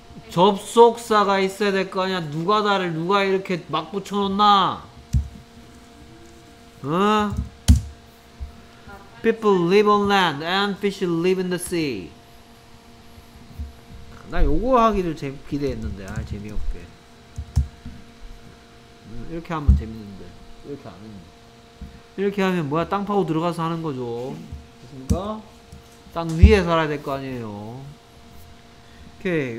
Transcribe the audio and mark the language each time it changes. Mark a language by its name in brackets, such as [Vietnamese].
[Korean] 접속사가 있어야 될 거 아니야? 누가 다를 누가 이렇게 막 붙여놓나? 응? [English] People live on land and fish live in the sea. [Korean] 나 요거 하기를 기대했는데, 아 재미없게. 이렇게 하면 재밌는데. 이렇게 안 했네. 이렇게 하면 뭐야? 땅 파고 들어가서 하는 거죠. 됐습니까? 땅 위에 살아야 될 거 아니에요. 오케이.